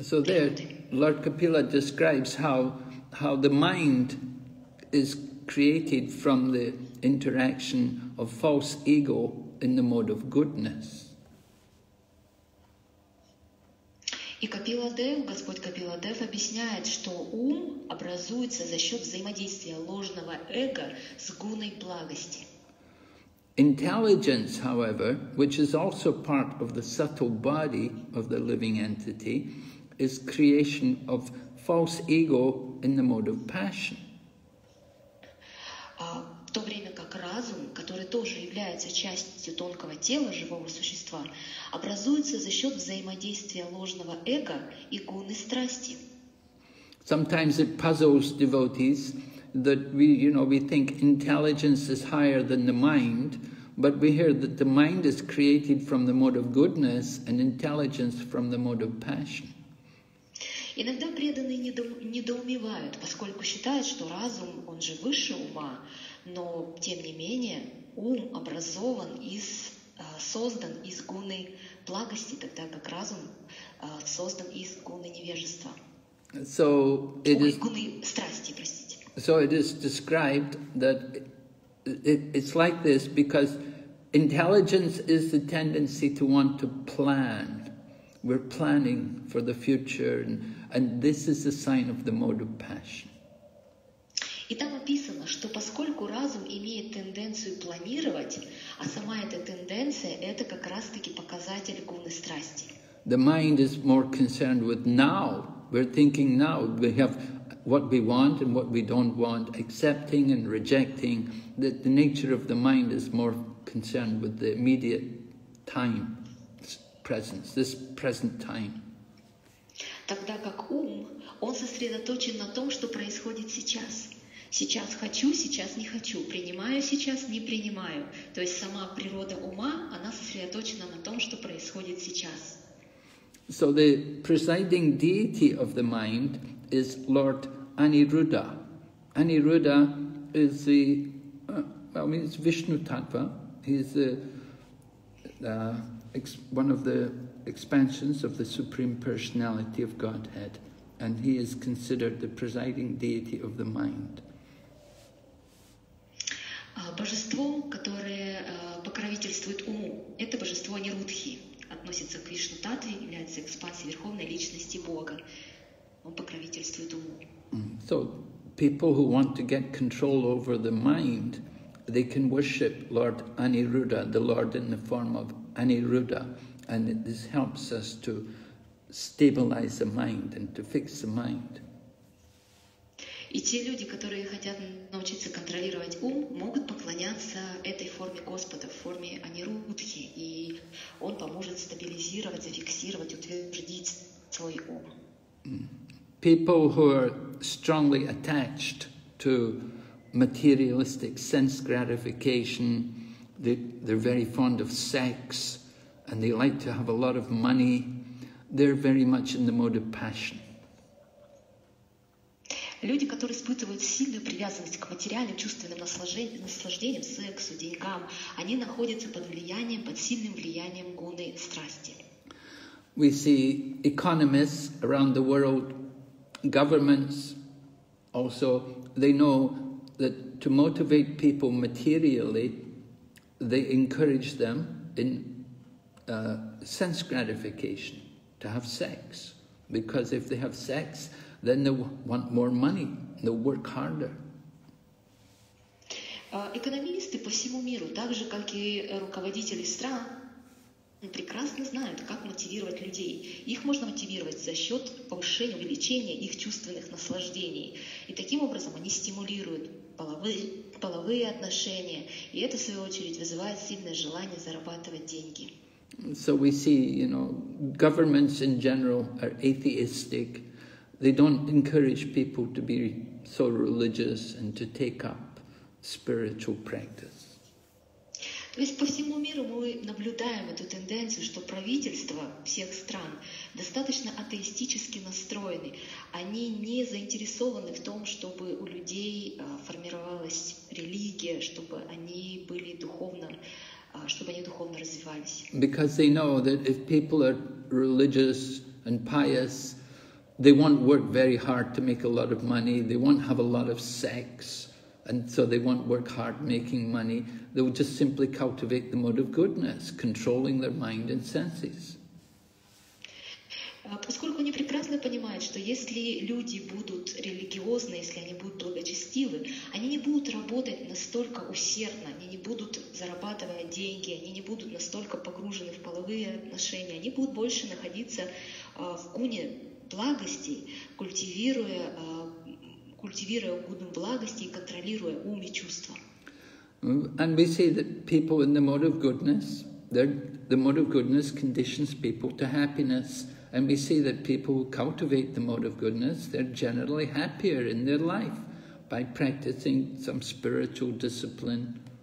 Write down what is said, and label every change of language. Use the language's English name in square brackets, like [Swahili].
[English] So there, Lord Kapila describes how the mind is created from the interaction of false ego in the mode of goodness. [Russian] И Капиладев, Господь Капиладев объясняет, что ум образуется за счет взаимодействия ложного эго с гуной благости. [English] Intelligence, however, which is also part of the subtle body of the living entity, is creation of false ego in the mode of passion. [Russian] В то время как разум, который тоже является частью тонкого тела живого существа, образуется за счет взаимодействия ложного эго и гуны страсти. [English] Sometimes it puzzles devotees that we think intelligence is higher than the mind, but we hear that the mind is created from the mode of goodness and intelligence from the mode of passion. [Russian] Иногда преданные недоумевают, поскольку считают, что разум, он же выше ума, но тем не менее ум образован из создан из гуны благости, тогда как разум создан из гуны невежества. [English] So it is [Russian] гуны страсти, простите. [English] So it is described that it's like this because intelligence is the tendency to want to plan. We're planning for the future, and this is a sign of the mode of passion. [Russian] И там описано, что поскольку разум имеет тенденцию планировать, а сама эта тенденция – это как раз-таки показатель гуны страсти. [English] The mind is more concerned with now. We're thinking now. We have what we want and what we don't want, accepting and rejecting, that the nature of the mind is more concerned with the immediate time, presence, this present time. [Russian] Тогда как ум, он сосредоточен на том, что происходит сейчас. Сейчас хочу, сейчас не хочу, принимаю сейчас, не принимаю. То есть сама природа ума, она сосредоточена на том, что происходит сейчас. [English] So the presiding deity of the mind is Lord Aniruddha. Aniruddha is the, it's Vishnu Tattva. He's one of the expansions of the Supreme Personality of Godhead. And he is considered the presiding deity of the mind. [Russian] Божество, которое покровительствует уму, это божество Анирудхи. Относится к Вишну Таттве, является экспансией Верховной Личности Бога. Он покровительствует уму. [English] So, people who want to get control over the mind, they can worship Lord Aniruddha, the Lord in the form of Aniruddha, and this helps us to stabilize the mind and to fix the mind. [Russian] И те люди, которые хотят научиться контролировать ум, могут поклоняться этой форме Господа, в форме Анируддхи, и он поможет стабилизировать, зафиксировать, утвердить свой ум. [English] People who are strongly attached to materialistic sense gratification, they're very fond of sex, and they like to have a lot of money. They're very much in the mode of passion. [Russian] Люди, которые испытывают сильную привязанность к материальным чувственным наслаждениям, сексу, деньгам, они находятся под влиянием, под сильным влиянием гуны страсти. [English] We see economists around the world, governments also, they know that to motivate people materially, they encourage them in sense gratification to have sex, because if they have sex, then they want more money, they'll work harder. [Russian] Экономисты по всему миру, так же как и руководители стран, прекрасно знают, как мотивировать людей. Их можно мотивировать за счет повышения, увеличения их чувственных наслаждений. И таким образом они стимулируют половые отношения. И это, в свою очередь, вызывает сильное желание зарабатывать деньги. [English] So we see, you know, governments in general are atheistic. They don't encourage people to be so religious and to take up spiritual practice. [Russian] То есть по всему миру мы наблюдаем эту тенденцию, что правительства всех стран достаточно атеистически настроены. Они не заинтересованы в том, чтобы у людей формировалась религия, чтобы они были духовно, чтобы они духовно развивались. [English] Because they know that if people are religious and pious, they won't work very hard to make a lot of money, they won't have a lot of sex, and so they won't work hard making money, they will just simply cultivate the mode of goodness, controlling their mind and senses. [Russian] Поскольку они прекрасно понимают, что если люди будут религиозны, если они будут благочестивы, они не будут работать настолько усердно, они не будут зарабатывать деньги, они не будут настолько погружены в половые отношения, они будут больше находиться в гуне благости, культивируя гуну благости и контролируя ум и чувства. [English] And we see that people in the mode of goodness, the mode of goodness conditions people to happiness. And we see that people who cultivate the mode of goodness, they're generally happier in their life by practicing some spiritual discipline.